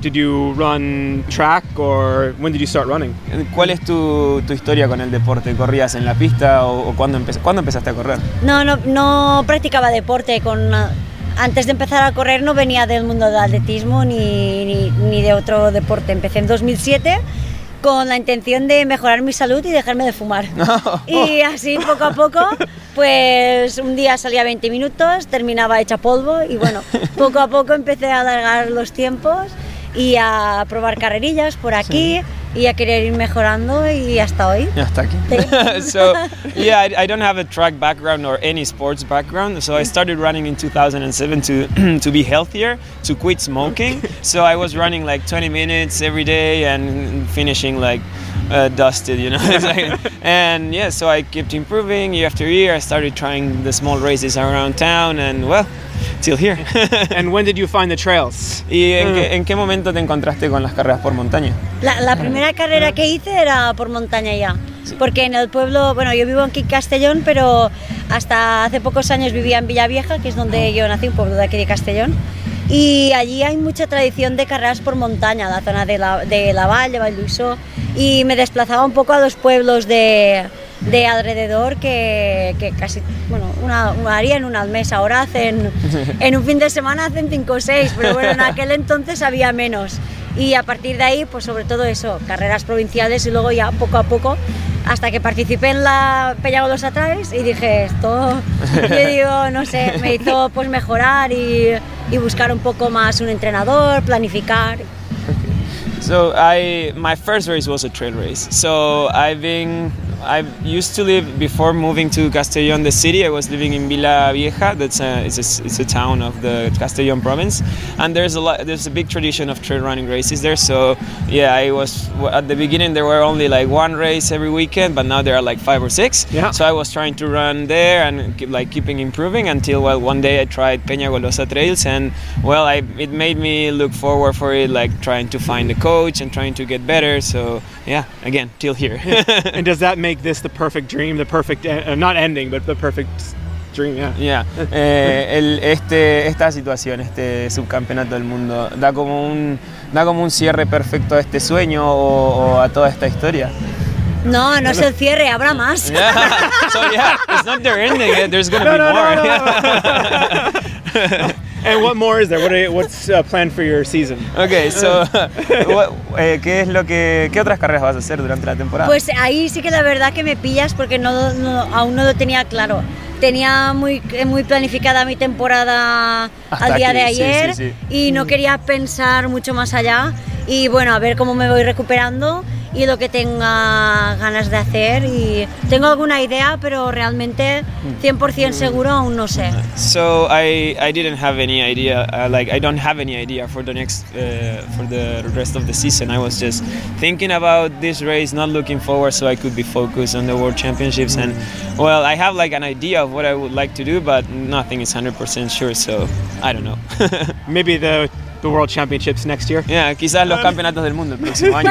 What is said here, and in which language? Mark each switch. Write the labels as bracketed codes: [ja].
[en] Did you run track or when did you start running? [es] ¿Cuál es tu historia con el deporte? ¿Corrías en la pista o cuándo empezaste a correr? No practicaba deporte. Antes de empezar a correr no venía del mundo del atletismo ni de otro deporte. Empecé en 2007. Con la intención de mejorar mi salud y dejarme de fumar. Y así, poco a poco, pues un día salía 20 minutos, terminaba hecha polvo y bueno, poco a poco empecé a alargar los tiempos y a probar carrerillas por aquí. Sí. Y a querer ir mejorando y hasta hoy. Y hasta aquí. [en] So, yeah, I don't have a track background or any sports background. So I started running in 2007 to be healthier, to quit smoking. So I was running like 20 minutes every day and finishing like dusted, you know. And yeah, so I kept improving year after year. I started trying the small races around town and well, till here. And when did you find the trails? [es] ¿Y en qué momento te encontraste con las carreras por montaña? La primera carrera que hice era por montaña ya. Porque en el pueblo, bueno, yo vivo aquí en Castellón, pero hasta hace pocos años vivía en Villavieja, que es donde yo nací, un pueblo de aquí de Castellón. Y allí hay mucha tradición de carreras por montaña, la zona de la Valle, Valluiso. y me desplazaba un poco a los pueblos de alrededor que casi, bueno, una harían una al mes, ahora hacen, en un fin de semana hacen 5 o 6, pero bueno, en aquel entonces había menos. Y a partir de ahí, pues sobre todo eso, carreras provinciales y luego ya poco a poco, hasta que participé en la Peña Golosa Trails y dije esto, yo digo, no sé, me hizo pues mejorar y buscar un poco más un entrenador, planificar. [en] So my first race was a trail race. So I used to live, before moving to Castellón, the city, I was living in Villa Vieja, it's a town of the Castellón province. And there's a big tradition of trail running races there. So yeah, I was, at the beginning there were only like one race every weekend, but now there are like 5 or 6. Yeah. So I was trying to run there and keeping improving until, well, one day I tried Peña Golosa Trails, and well, it made me look forward for it, like trying to find a coach and trying to get better. So yeah, again, till here. Yeah. And does that make this the perfect dream, the perfect not ending, but the perfect dream? Yeah. [es] esta situación, este subcampeonato del mundo, da como un cierre perfecto a este sueño o a toda esta historia. No, no es el cierre, habrá más. [en] Yeah. So yeah, it's not their ending. There's gonna [es] no, [en] be [es] no, [en] more. No. And what more is there? What's planned for your season? [es] Okay, so ¿qué otras carreras vas a hacer durante la temporada? Pues ahí sí que la verdad que me pillas porque no aún no lo tenía claro. Tenía muy muy planificada mi temporada hasta al día aquí, de ayer, sí, sí, sí. Y no quería pensar mucho más allá. Y bueno, a ver cómo me voy recuperando y lo que tenga ganas de hacer. Y tengo alguna idea, pero realmente 100% seguro aún no sé. [en] So I didn't have any idea, like I don't have any idea for the next for the rest of the season. I was just thinking about this race, not looking forward so I could be focused on the World Championships. And well, I have like an idea of what I would like to do, but nothing is 100% sure, so I don't know. Maybe the World Championships next year. [es] Yeah, quizás los campeonatos del mundo el próximo año.